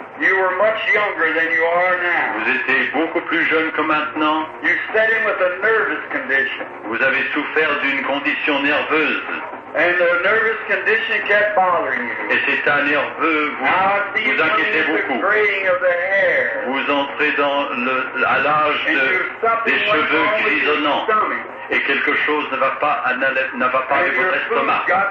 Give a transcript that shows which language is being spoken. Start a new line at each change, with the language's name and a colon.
English: you were much younger than you are now.
French: Vous étiez beaucoup plus jeune que maintenant.
English: You sat in with a nervous condition.
French: Vous avez souffert d'une condition nerveuse.
English: And the nervous condition kept bothering you.
French: Et cet état nerveux vous inquiétait beaucoup. Vous entrez dans l'âge des cheveux grisonnants. Et quelque chose ne va pas avec votre estomac.